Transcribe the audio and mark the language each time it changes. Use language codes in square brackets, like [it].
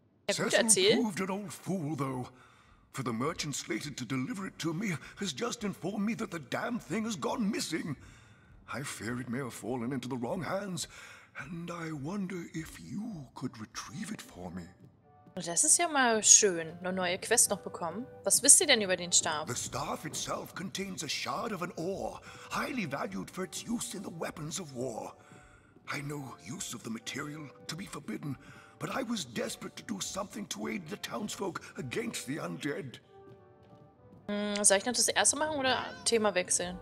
[en] Cecil proved an old fool, though, for the merchant slated to deliver it to me has just informed me that the damn thing has gone missing. I fear it may have fallen into the wrong hands. And I wonder if you could retrieve it for me. [de] Das ist ja mal schön, eine neue Quest noch bekommen. Was wisst ihr denn über den Stab? [en] The staff itself contains a shard of an ore, highly valued for its use in the weapons of war. I know use of the material to be forbidden, but I was desperate to do something to aid the townsfolk against the undead. [de] Soll ich noch das erste machen oder Thema wechseln?